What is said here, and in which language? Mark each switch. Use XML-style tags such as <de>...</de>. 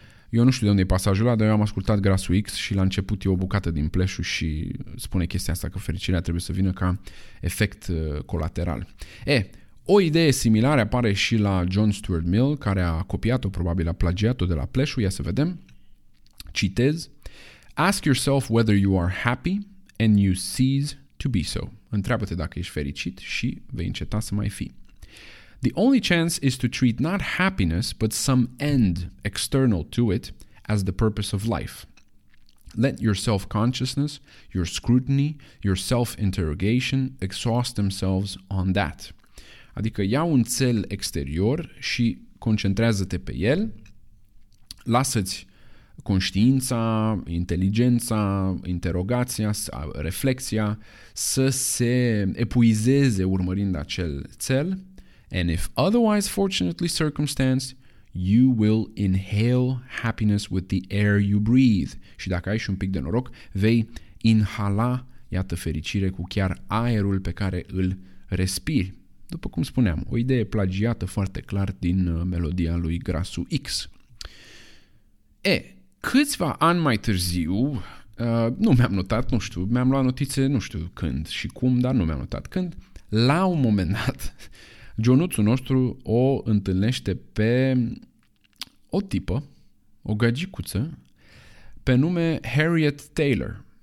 <ro>Eu nu știu de unde e pasajul ăla, dar eu am ascultat Grasul X și la început e o bucată din Splash și spune chestia asta că fericirea trebuie să vină ca efect colateral. O idee similară apare și la John Stuart Mill, care a copiat-o, probabil a plagiat-o de la Plesu, ia să vedem. Citez:</ro> <en>Ask yourself whether you are happy and you cease to be so.</en> <ro>Întreabă-te dacă ești fericit și vei înceta să mai fii.</ro> <en>The only chance is to treat not happiness, but some end external to it as the purpose of life. Let your self-consciousness, your scrutiny, your self-interrogation exhaust themselves on that.</en> <ro>Adică ia un țel exterior și concentrează-te pe el, lasă-ți conștiința, inteligența, interogația, reflexia să se epuizeze urmărind acel țel.</ro> <en>And if otherwise fortunately circumstanced, you will inhale happiness with the air you breathe.</en> <ro>Și dacă ai și un pic de noroc, vei inhala, iată, fericire cu chiar aerul pe care îl respiri. După cum spuneam, o idee plagiată foarte clar din melodia lui Grasul X. E, câțiva ani mai târziu, nu mi-am notat, nu știu, mi-am luat notițe, nu știu când și cum, dar nu mi-am notat când, la un moment dat, Johnuțul nostru o întâlnește pe o tipă, o gagicuță, pe nume Harriet Taylor.</ro>